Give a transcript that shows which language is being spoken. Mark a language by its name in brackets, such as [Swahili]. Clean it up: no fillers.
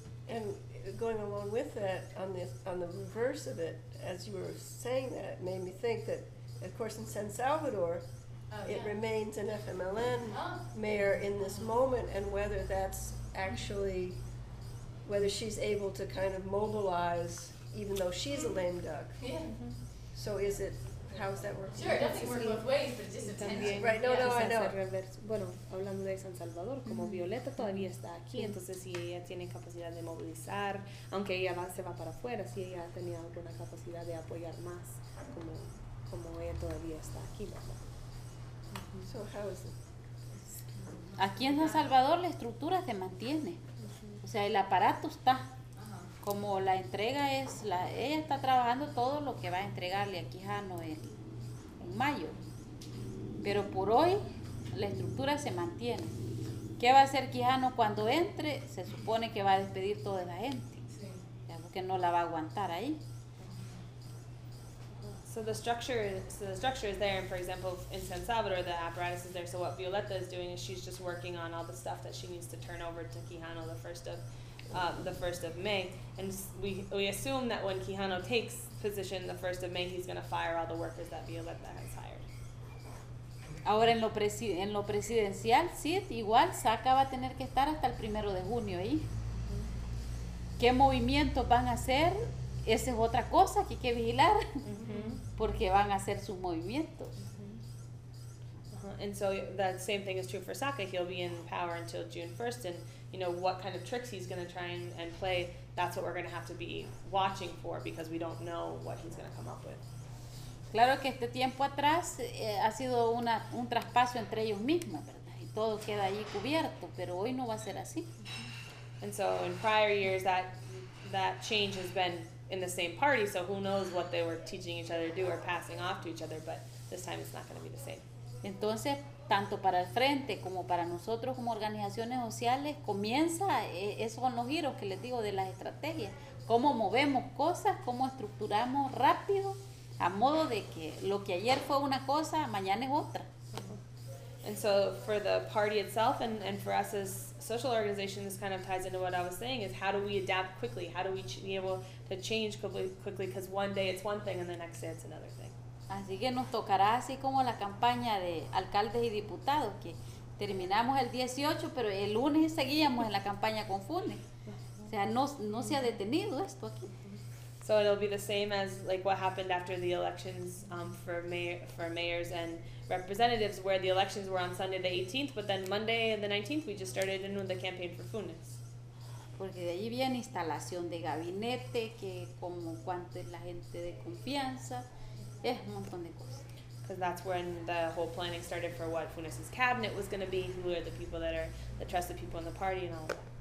[English] And going along with that, on the reverse of it, as you were saying that, made me think that, of course, in San Salvador, it remains an FMLN mayor in this moment, and whether that's actually... whether she's able to kind of mobilize, even though she's a lame duck. Yeah. Mm-hmm. So is it, how's that work? Sure, it doesn't work both ways, but just attention. Right, no, I know. [Spanish] Bueno, hablando de San Salvador, como Violeta todavía está aquí, entonces si ella tiene capacidad de movilizar, aunque ella se va para afuera, si ella ha tenido alguna capacidad de apoyar más, como ella todavía está aquí, ¿verdad? [English] Yeah. So how is it? [Spanish] Aquí en San Salvador la estructura se mantiene. O sea, el aparato está. Como la entrega es, la, ella está trabajando todo lo que va a entregarle aquí a Noel en mayo. Pero por hoy la estructura se mantiene. ¿Qué va a hacer Quijano cuando entre? Se supone que va a despedir toda la gente. Sí. Ya porque no la va a aguantar ahí. [English] So the structure is there, and for example, in San Salvador, the apparatus is there. So what Violeta is doing is she's just working on all the stuff that she needs to turn over to Quijano the first of May. And we assume that when Quijano takes position the 1st of May, he's going to fire all the workers that Violeta has hired. [Spanish] Ahora en lo presidencial, sí, igual Saca va a tener que estar hasta el 1 de junio ahí. ¿Qué movimientos van a hacer? Esa es otra cosa que hay que vigilar, porque van a hacer sus movimientos. [English] And so the same thing is true for Saca. He'll be in power until June 1st, and you know what kind of tricks he's going to try and play, that's what we're going to have to be watching for, because we don't know what he's going to come up with. [Spanish] Claro que este tiempo atrás ha sido un traspaso entre ellos mismos, ¿verdad? Y todo queda ahí cubierto, pero hoy no va a ser así. [English] And so in prior years that change has been in the same party, so who knows what they were teaching each other to do or passing off to each other, but this time it's not going to be the same. [Spanish] Entonces, tanto para el frente como para nosotros como organizaciones sociales, comienza esos son los giros que les digo de las estrategias. Cómo movemos cosas, cómo estructuramos rápido, a modo de que lo que ayer fue una cosa, mañana es otra. [English] And so for the party itself and for us as social organization, this kind of ties into what I was saying, is how do we adapt quickly? How do we be able to change quickly? Because one day it's one thing and the next day it's another thing. [Spanish] Así que nos tocará así como la campaña de alcaldes y diputados, que terminamos el 18, pero el lunes seguíamos en la campaña con Funes. O sea, no se ha detenido esto aquí. [English] So it'll be the same as like what happened after the elections for mayors and representatives, where the elections were on Sunday the 18th, but then Monday the 19th we just started in the campaign for Funes. [Spanish] Porque de ahí viene instalación de gabinete, que como cuánto es la gente de confianza, es un montón de cosas. [English] Because that's when the whole planning started for what Funes's cabinet was going to be, who are the people that are the trusted people in the party and all that.